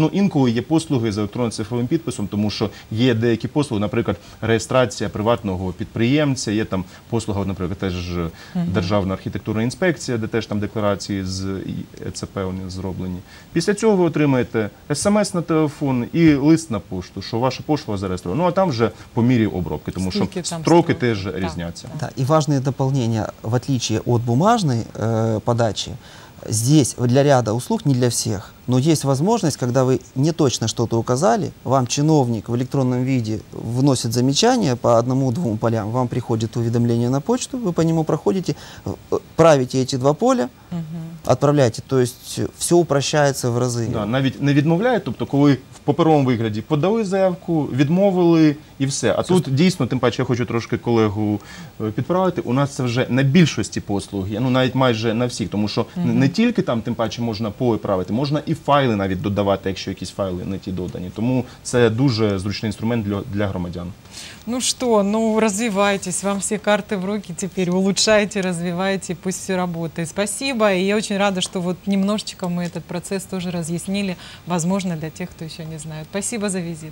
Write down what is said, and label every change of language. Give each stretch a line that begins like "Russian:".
Ukrainian: Ну, інколи є послуги з електронно-цифровим підписом, тому що є деякі послуги, наприклад, реєстрація приватного підприємця, є там послуга, наприклад, теж державна архітектурна інспекція, де теж там декларації з ЕЦП зроблені. Після цього ви отримаєте СМС на телефон і лист на пошту, що ваша послуга зареєстрована. Ну, а там вже по мірі обробки, тому що строки теж різняться. Так, і важливе доповнення, в отличие від бумажної подачи.
Russian: Здесь для ряда услуг, не для всех, но есть возможность, когда вы не точно что-то указали, вам чиновник в электронном виде вносит замечание по одному-двум полям, вам приходит уведомление на почту, вы по нему проходите, правите эти два поля, отправляете. То есть все упрощается в разы.
Ukrainian: Да, навіть не відмовляє, тобто, коли в паперовому вигляді подали заявку, відмовили і все. А все тут що... дійсно, тим паче, я хочу трошки колегу підправити, у нас це вже на більшості послуг, ну, навіть майже на всіх, тому що не тільки там, тим паче, можна поле правити, можна і файли навіть додавати, якщо якісь файли не ті додані. Тому це дуже зручний інструмент для громадян. Ну що, ну розвивайтесь, вам всі карти в руки тепер, улучшайте, розвивайте,
Russian: пусть все работает.
Ukrainian: Спасибо, і я очень рада, що вот немножечко ми цей процес теж роз'яснили, возможно, для тих, хто ще не знає. Спасибо за візит.